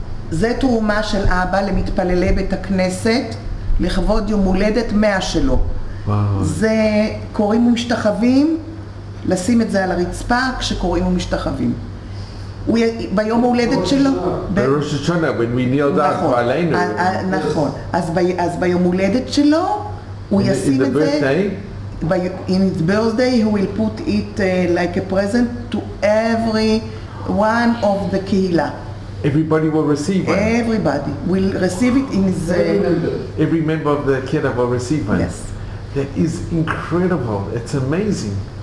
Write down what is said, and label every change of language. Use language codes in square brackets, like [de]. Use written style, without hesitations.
[he] זה תרומה של אבא למתפללי בית הכנסת לכבוד יום הולדת 100 שלו. וואו. זה קוראים ומשתחווים, לשים את זה על הרצפה כשקוראים ומשתחווים. ביום ההולדת שלו? בראש השנה, [en] when we kneel down, [he] נכון, עלינו. נכון. אז ביום הולדת שלו הוא ישים את זה. [en] In his birthday, he will put it like a present to every one of the קהילה. Everybody will receive one. Everybody will receive it in his... Every member of the kid will receive one. Yes. That is incredible. It's amazing.